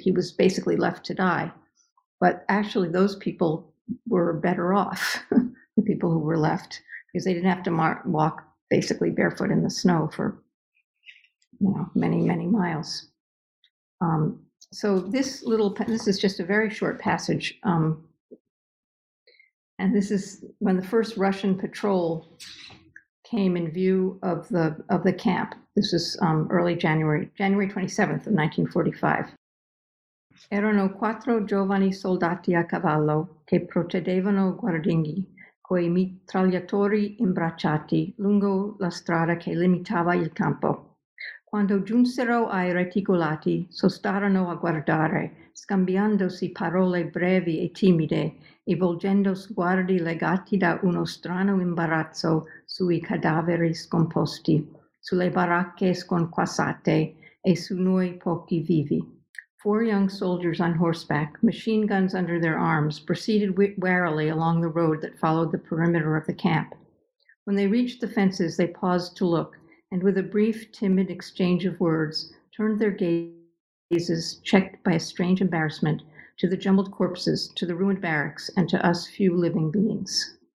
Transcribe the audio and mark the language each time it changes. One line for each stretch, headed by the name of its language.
English: He was basically left to die. But actually those people were better off, the people who were left, because they didn't have to walk basically barefoot in the snow for, you know, many, many miles. So this is just a very short passage. And this is when the first Russian patrol came in view of the camp. This is early January 27th of 1945.
Italian: Erano quattro giovani soldati a cavallo che procedevano guardinghi coi mitragliatori imbracciati lungo la strada che limitava il campo. Quando giunsero ai reticolati, sostarono a guardare, scambiandosi parole brevi e timide e volgendo sguardi legati da uno strano imbarazzo sui cadaveri scomposti, sulle baracche sconquassate e su noi pochi vivi.
English: 4 young soldiers on horseback, machine guns under their arms, proceeded warily along the road that followed the perimeter of the camp. When they reached the fences, they paused to look, and with a brief, timid exchange of words, turned their gazes, checked by a strange embarrassment, to the jumbled corpses, to the ruined barracks, and to us few living beings.